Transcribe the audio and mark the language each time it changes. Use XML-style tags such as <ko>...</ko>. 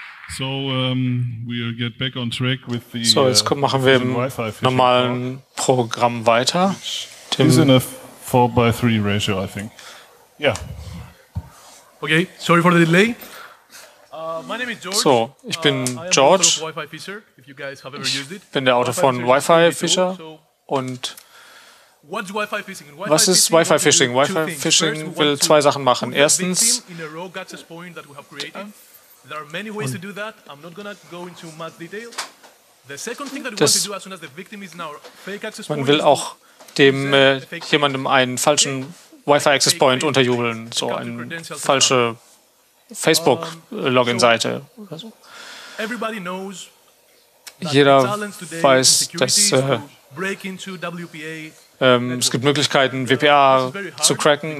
<en>So, we'll get back on track with the,</en> <de>so, jetzt machen wir im normalen Programm weiter.</de> <en>Is in a 4:3 ratio, I think. Yeah. Okay, sorry for the delay.</en> <de>So, ich bin George. Ich bin der Autor von Wi-Fi Fisher. Und was ist Wi-Fi Phishing? Wi-Fi Phishing will zwei Sachen machen. Erstens,</de> <en>there are many ways to do that. I'm not going to go into much detail. The second thing that we want to do as soon as the victim is in our fake access point.</en> <de>Man will auch dem jemandem einen falschen Wi-Fi Access Point unterjubeln, so eine falsche Facebook Login Seite.</de> <en>Everybody knows.</en> <de>Jeder weiß, dass es gibt Möglichkeiten, WPA zu cracken.</de>